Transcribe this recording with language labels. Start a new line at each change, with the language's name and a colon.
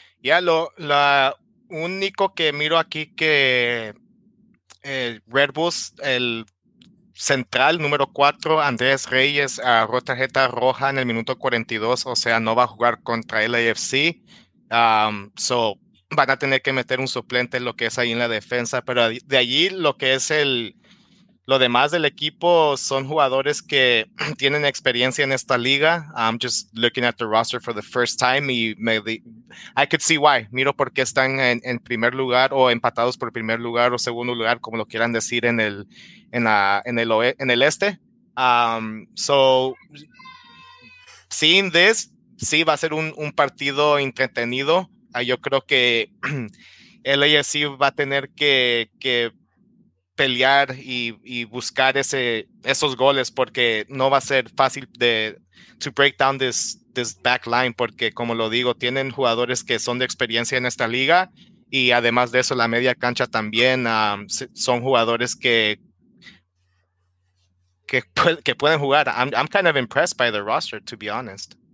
Spanish: Ya lo único que miro aquí que Red Bulls, el central número 4, Andrés Reyes, agarró tarjeta roja en el minuto 42, o sea, no va a jugar contra el AFC. So van a tener que meter un suplente lo que es ahí en la defensa, pero de allí lo que es lo demás del equipo son jugadores que tienen experiencia en esta liga.
English: I'm just looking at the roster for the first time y I could see why.
Spanish: Miro por qué están en primer lugar o empatados por primer lugar o segundo lugar, como lo quieran decir en el este.
English: So seeing this,
Spanish: sí va a ser un partido entretenido. Yo creo que el AFC va a tener que pelear y buscar esos goles, porque no va a ser fácil
English: to break down this back line,
Spanish: porque como lo digo, tienen jugadores que son de experiencia en esta liga, y además de eso la media cancha también son jugadores que pueden jugar.
English: I'm kind of impressed by the roster, to be honest.